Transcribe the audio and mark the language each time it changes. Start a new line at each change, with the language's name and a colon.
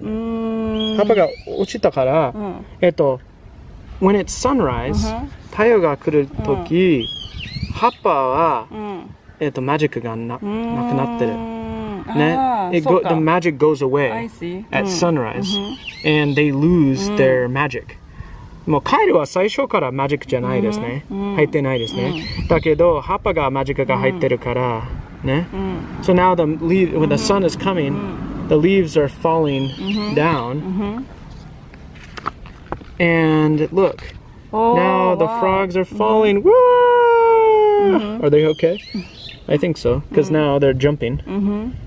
Japanese: Hapa ga ochita kara,
English: when it's sunrise,
Japanese: taiyo ga kuru toki, hapa wa, magic ga nakunatteru.
English: The magic goes away at sunrise, and they lose their magic.
Japanese: もうカエルは最初からマジックじゃないですね。入ってないですね。だけど、葉っぱがマジックが入ってるから、ね。
English: So now the leaves, when the sun is coming, the leaves are falling down. And look, now the frogs are falling. Are they okay? I think so, because now they're jumping.